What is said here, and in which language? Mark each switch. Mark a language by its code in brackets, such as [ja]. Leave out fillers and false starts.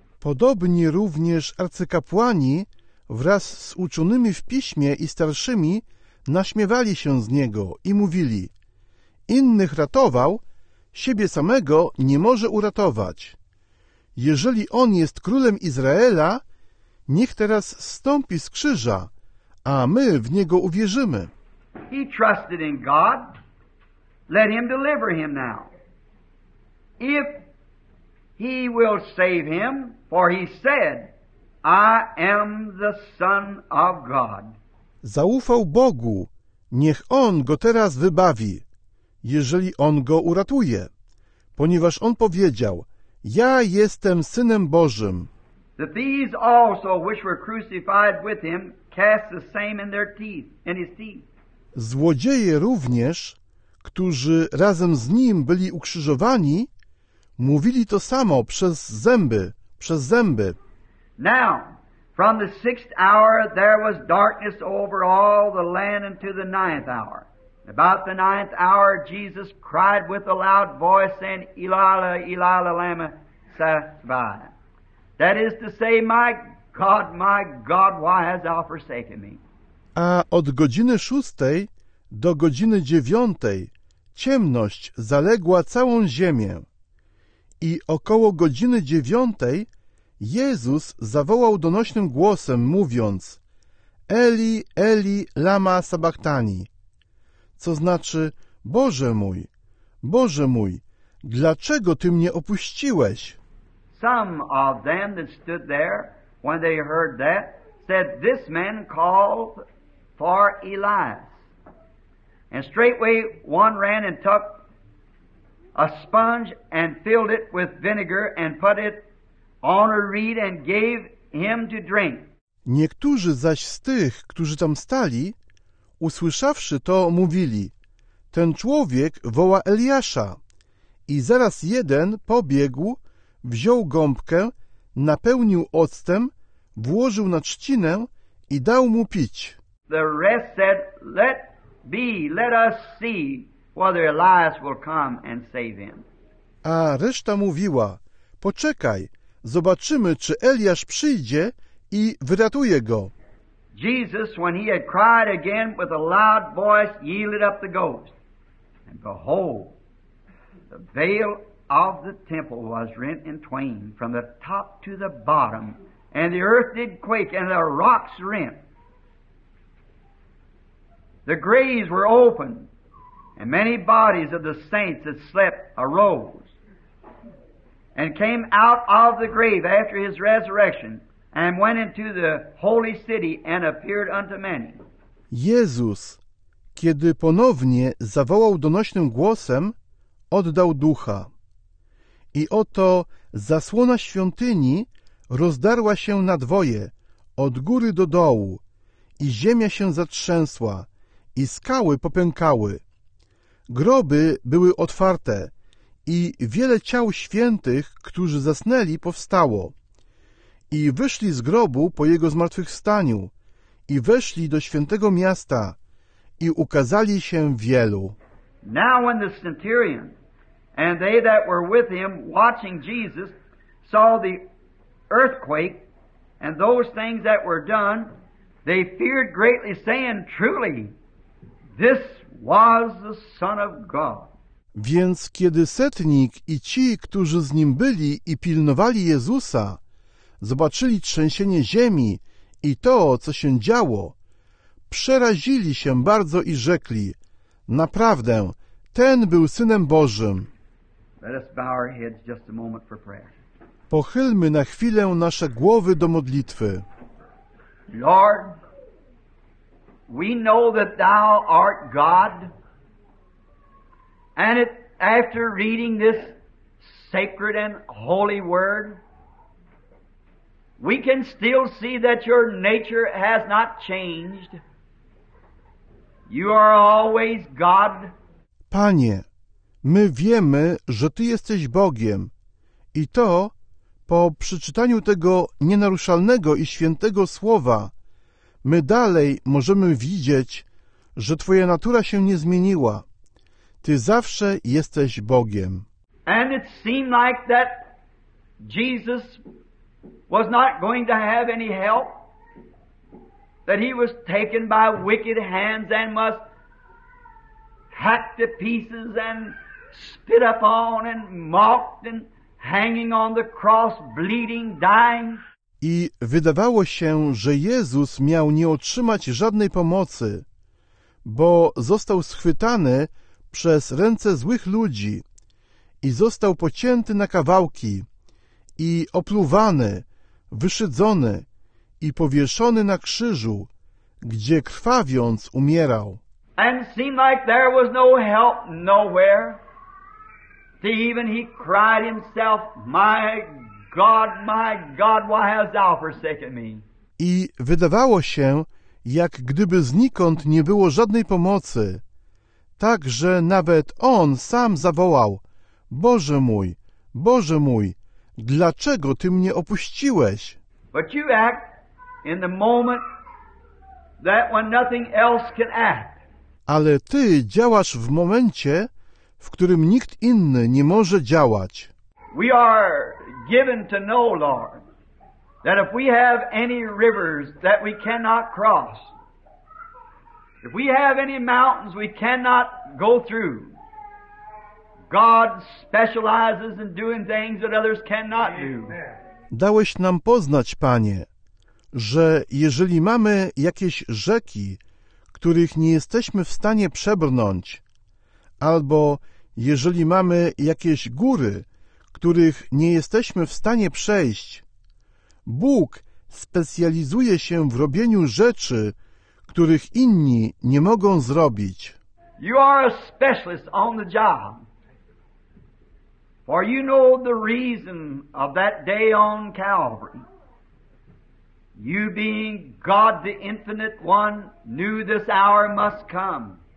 [pl] Podobnie również arcykapłani wraz z uczonymi w piśmie i starszymi naśmiewali się z niego i mówili: "Innych ratował, siebie samego nie może uratować. Jeżeli on jest królem Izraela, niech teraz stąpi z krzyża, a my w niego uwierzymy." [en] He trusted in God. Let him deliver him now. If he will save him, for he said, "I am the Son of God." [pl] Zaufał Bogu, niech on go teraz wybawi, jeżeli on go uratuje, ponieważ on powiedział: "Ja jestem Synem Bożym." [en] The thieves also which were crucified with him cast the same in their teeth, in his teeth. [pl] Złodzieje również, którzy razem z nim byli ukrzyżowani, mówili to samo przez zęby. [en] Now, from the sixth hour there was darkness over all the land until the ninth hour. About the ninth hour, Jesus cried with a loud voice, saying, [arc] "Elala, Elala, lama sabachthani." [en] That is to say, my God, why hast thou forsaken me? [pl] A od godziny szóstej do godziny dziewiątej ciemność zaległa całą ziemię. I około godziny 9 Jezus zawołał donośnym głosem, mówiąc: [arc] Eli, Eli, lama sabachthani, [pl] co znaczy: Boże mój, Boże mój, dlaczego Ty mnie opuściłeś? [en] Some of them that stood there, when they heard that, said, this man called for Elias. And straightway one ran and took a sponge and filled it with vinegar and put it on a reed and gave him to drink. [pl] Niektórzy zaś z tych, którzy tam stali, usłyszawszy to, mówili: Ten człowiek woła Eliasza. I zaraz jeden pobiegł, wziął gąbkę, napełnił octem, włożył na trzcinę i dał mu pić. [en] The rest said, let be, let us see whether Elias will come and save him. [pl] A reszta mówiła: Poczekaj, zobaczymy, czy Eliasz przyjdzie i wyratuje go. [en] Jesus, when he had cried again with a loud voice, yielded up the ghost. And behold, the veil of the temple was rent in twain from the top to the bottom, and the earth did quake, and the rocks rent. The graves were opened, and many bodies of the saints that slept arose and came out of the grave after his resurrection, and went into the holy city and appeared unto many. [pl] Jezus, kiedy ponownie zawołał donośnym głosem, oddał ducha. I oto zasłona świątyni rozdarła się na dwoje, od góry do dołu, i ziemia się zatrzęsła, i skały popękały. Groby były otwarte, i wiele ciał świętych, którzy zasnęli, powstało. I wyszli z grobu po jego zmartwychwstaniu, i weszli do świętego miasta, i ukazali się wielu. [en] Now when the centurion and they that were with him watching Jesus saw the earthquake and those things that were done, they feared greatly, saying, truly, this was the Son of God. [pl] Więc kiedy setnik i ci, którzy z nim byli i pilnowali Jezusa, zobaczyli trzęsienie ziemi i to, co się działo, przerazili się bardzo i rzekli: Naprawdę, ten był Synem Bożym. [en] Let us bow our heads just a moment for prayer. [pl] Pochylmy na chwilę nasze głowy do modlitwy. [en] Lord, we know that Thou art God, and after reading this sacred and holy word, we can still see that Your nature has not changed. You are always God. [pl] Panie, my wiemy, że Ty jesteś Bogiem. I to, po przeczytaniu tego nienaruszalnego i świętego słowa, my dalej możemy widzieć, że Twoja natura się nie zmieniła. Ty zawsze jesteś Bogiem. [en] And it seemed like that Jesus was not going to have any help. That he was taken by wicked hands and must hacked to pieces and spit upon and mocked and hanging on the cross, bleeding, dying. [pl] I wydawało się, że Jezus miał nie otrzymać żadnej pomocy, bo został schwytany przez ręce złych ludzi i został pocięty na kawałki i opluwany, wyszydzony i powieszony na krzyżu, gdzie krwawiąc umierał. [en] And seemed like there was no help nowhere. Even he cried himself, my God, why hast thou forsaken me? [pl] I wydawało się, jak gdyby znikąd nie było żadnej pomocy. Tak, że nawet on sam zawołał: Boże mój, Boże mój, dlaczego Ty mnie opuściłeś? [en] But you act in the moment that when nothing else can act. [pl] Ale Ty działasz w momencie, w którym nikt inny nie może działać. [en] We are given to know, Lord, that if we have any rivers that we cannot cross, if we have any mountains we cannot go through, God specializes in doing things that others cannot do. [pl] Dałeś nam poznać, Panie, że jeżeli mamy jakieś rzeki, których nie jesteśmy w stanie przebrnąć, albo jeżeli mamy jakieś góry, których nie jesteśmy w stanie przejść, Bóg specjalizuje się w robieniu rzeczy, których inni nie mogą zrobić. [en] You are a specialist on the job. For you know the reason of that day on Calvary. You being God the infinite one knew this hour must come.